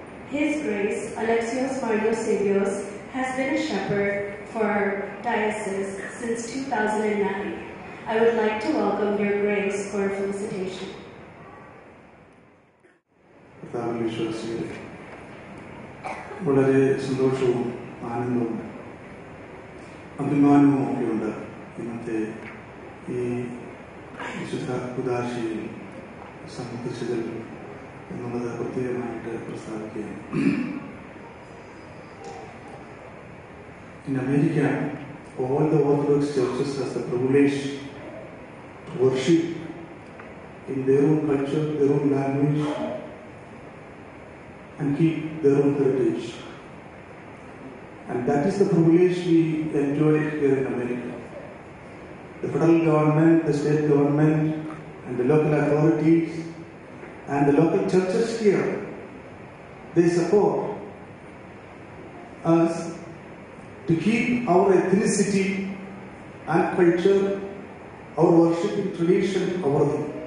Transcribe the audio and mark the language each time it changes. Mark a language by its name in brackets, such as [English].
[English] His Grace Alexios Marnosavios has been a shepherd for our diocese since 2009. I would like to welcome Your Grace for a felicitation. [Malayalam] വളരെ സന്തോഷവും ആനന്ദവും അഭിമാനവും ഒക്കെയുണ്ട് ഇന്നത്തെ ഈ വിശുദ്ധ ഉദാശിയിൽ സമ്മതിച്ചതിൽ എന്നുള്ളത് പ്രത്യേകമായിട്ട് പ്രസ്താവിക്കുകയാണ്. [English] In America all the orthodox churches has the privilege to worship in their own culture, their own language and keep their own heritage. And that is the privilege we enjoy here in America. The federal government, the state government, and the local authorities, and the local churches here, they support us to keep our ethnicity and culture, our worshiping tradition, our thing.